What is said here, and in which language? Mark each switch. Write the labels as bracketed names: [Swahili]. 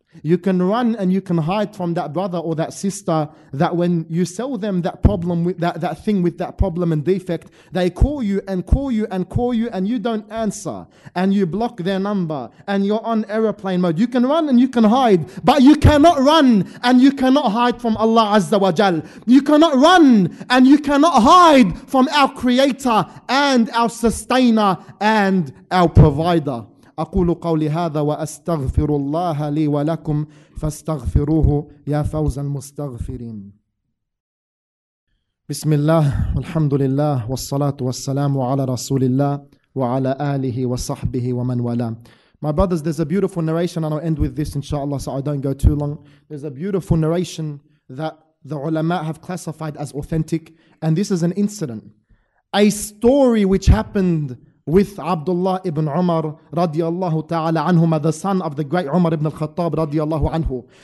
[English] You can run and you can hide from that brother or that sister, that when you sell them that problem with that thing with that problem and defect, they call you and call you and call you and you don't answer and you block their number and you're on airplane mode. You can run and you can hide, but you cannot run and you cannot hide from Allah Azza wa Jal. You cannot run and you cannot hide from our creator and our sustainer and our provider. [Arabic] أقول قولي هذا وأستغفر الله لي ولكم فاستغفروه يا فوز المستغفرين. بسم الله والحمد لله والصلاة والسلام على رسول الله وعلى آله وصحبه ومن والاه. [English] My brothers, there's a beautiful narration and I'll end with this inshallah, so I don't go too long. There's a beautiful narration that the ulama have classified as authentic, and this is an incident, a story which happened with Abdullah ibn Umar radiallahu ta'ala anhuma, the son of the great Umar ibn al-Khattab radiallahu anhu.